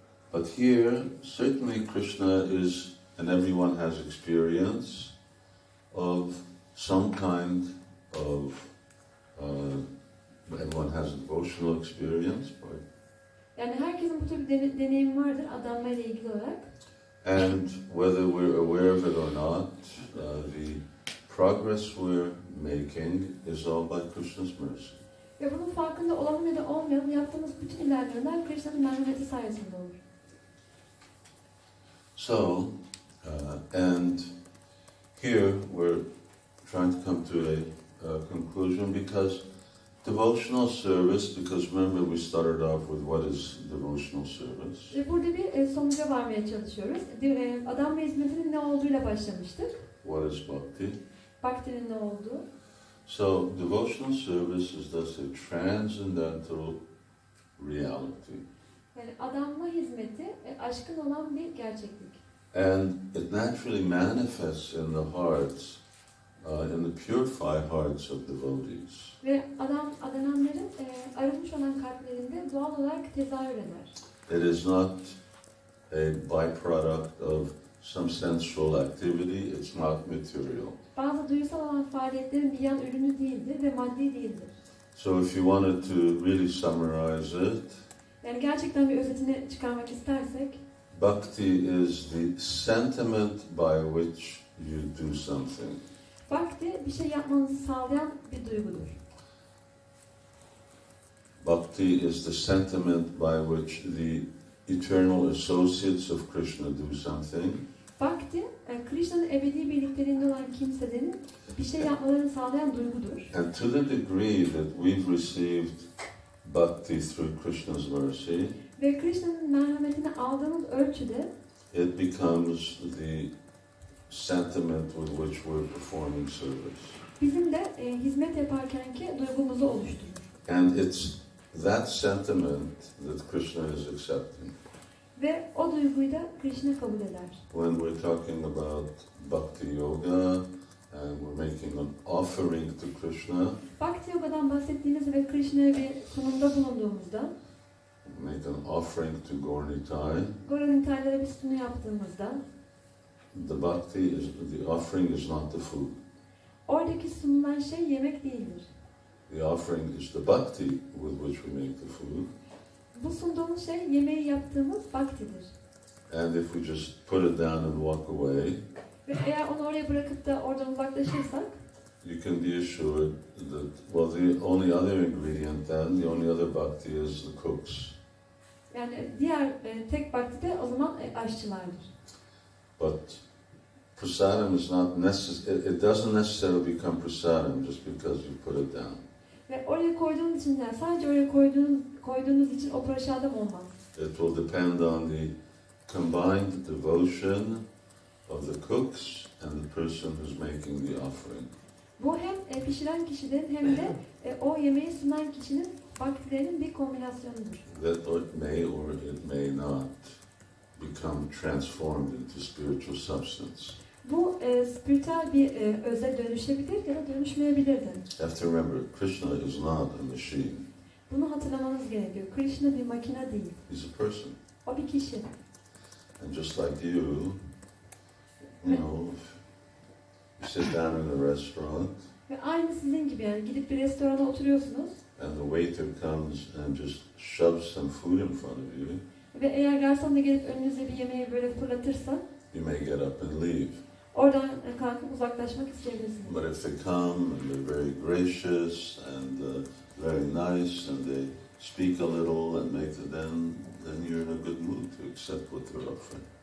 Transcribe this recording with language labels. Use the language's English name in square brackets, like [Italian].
[English] But here, certainly Krishna is, and everyone has experience of some kind of, everyone has devotional experience. But [Turkish] yani herkesin bu tür bir deneyim vardır adanmayla ilgili olarak. [English] And whether we're aware of it or not, the progress we're making is all by Krishna's mercy. [Turkish] Ve bunun farkında olalım ya da olmayalım, yaptığımız bütün ilerlemeler Krishna'nın merhameti sayesinde olur. [English] So, and here we're trying to come to a conclusion because devotional service, because remember we started off with what is devotional service. [Turkish] Burada bir sonuca varmaya çalışıyoruz. Adam ve hizmetinin ne olduğuyla başlamıştık. [English] What is bhakti? [Turkish] Bhakti'nin ne olduğu. [English] So, devotional service is thus a transcendental reality. [Turkish] Yani adanma hizmeti aşkın olan bir gerçeklik. [English] And it naturally manifests in the hearts, in the purified hearts of devotees. [Turkish] Ve adananların arınmış olan kalplerinde doğal olarak tezahür eder. [English] It is not a byproduct of some sensual activity, it's not material. [Turkish] Bazı duygusal olan faaliyetlerin bir yan ürünü değildir ve maddi değildir. [English] So if you wanted to really summarize it, [Turkish] yani gerçekten bir özetini çıkarmak istersek, [English] bhakti is the sentiment by which you do something. [Turkish] Bhakti bir şey yapmanızı sağlayan bir duygudur. [English] Bhakti is the sentiment by which the eternal associates of Krishna do something. [Turkish] Bhakti, Krishna'nın ebedi birlikteliğinde olan kimselerin bir şey yapmalarını sağlayan duygudur. [English] And to the degree that we've received bhakti through Krishna's mercy, [Turkish] ve Krishna'nın merhametini aldığımız ölçüde, [English] it becomes the sentiment with which we're performing service. [Turkish] Bizim de hizmet yaparkenki duygumuzu oluşturur. [English] And it's that sentiment that Krishna is accepting. [Turkish] Ve o duyguyu da Krishna kabul eder. [English] When we're talking about bhakti yoga, and we're making an offering to Krishna. [Turkish] Bhakti yoga'dan bahsettiğimizde ve Krishna'ya bir sunumda bulunduğumuzda, [English] make an offering to Gornitai. [Turkish] Gornitai'lere bir sunu yaptığımızda, [English] the bhakti is the offering is not the food. [Turkish] Oradaki sunulan şey yemek değildir. [English] The offering is the bhakti with which we make the food. [Turkish] Bu sunduğumuz şey yemeği yaptığımız bhakti'dir. [English] And if we just put it down and walk away, [Turkish] ve eğer onu oraya bırakıp da oradan uzaklaşırsak, [English] you can be assured that well, the only other ingredient then, the only other bhakti is the cooks. [Turkish] Yani diğer tek bhakti de o zaman aşçılardır. [English] But prasadam is not necessary. It doesn't necessarily become prasadam just because you put it down. [Turkish] Ve oraya koyduğun için yani sadece oraya koyduğunuz için o prasadam olmak. [English] It will depend on the combined devotion of the cooks and the person who's making the offering. [Turkish] Bu hem pişiren kişinin hem de o yemeği sunan kişinin baktilerinin bir kombinasyonudur. [English] That it may or it may not become transformed into spiritual substance. [Turkish] Bu spiritual bir öze dönüşebilir ya da dönüşmeyebilir de. [English] You have to remember, Krishna is not a machine. [Turkish] Bunu hatırlamanız gerekiyor. Krishna bir makine değil. [English] He's a person. [Turkish] O bir kişi. [English] And just like you, you know, you sit down in a restaurant. [Turkish] Ve aynı sizin gibi yani gidip bir restorana oturuyorsunuz. [English] And the waiter comes and just shoves some food in front of you. [Turkish] Ve eğer garson da gelip önünüze bir yemeği böyle fırlatırsa. [English] You may get up and leave. [Turkish] Oradan kalkıp uzaklaşmak isteyebilirsiniz. [English] But if they come and they're very gracious and very nice and they speak a little and make the then you're in a good mood to accept what they're offering.